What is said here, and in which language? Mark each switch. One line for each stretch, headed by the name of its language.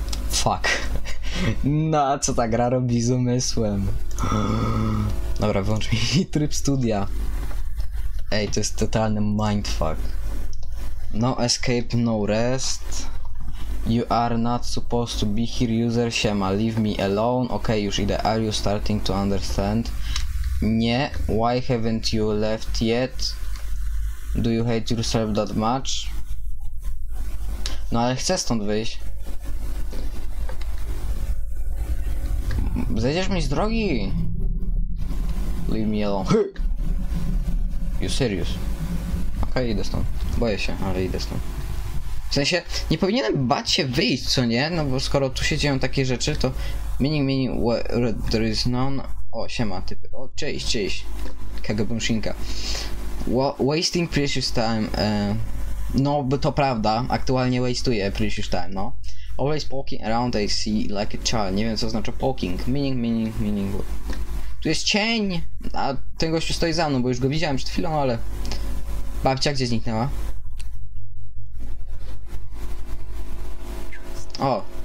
Polish: Fuck. No, co ta gra robi z umysłem? Dobra, wyłącz mi tryb studia. Ej, to jest totalny mindfuck.
English: No escape, no rest. You are not supposed to be here, user. Siema, leave me alone.
Polish: Okej, już idę.
English: Are you starting to understand? Nie. Why haven't you left yet? Do you hate yourself that much?
Polish: No, ale chcę stąd wyjść. Zejdziesz mi z drogi?
English: Leave me alone. Hey! You serious?
Polish: Okej, okay, idę stąd. Boję się, ale idę stąd. W sensie, nie powinienem bać się wyjść, co nie? No bo skoro tu się dzieją takie rzeczy, to...
English: Meaning, where there is none...
Polish: O, siema, typy. O, cześć. Kagabun Shinka.
English: Wasting precious time...
Polish: No, bo to prawda. Aktualnie wastuję
English: precious time,
Polish: no.
English: Always poking around I see like a child.
Polish: Nie wiem, co znaczy poking. Meaning. Tu jest cień! A ten gość stoi za mną, bo już go widziałem przed chwilą, ale... Babcia, gdzie zniknęła? O!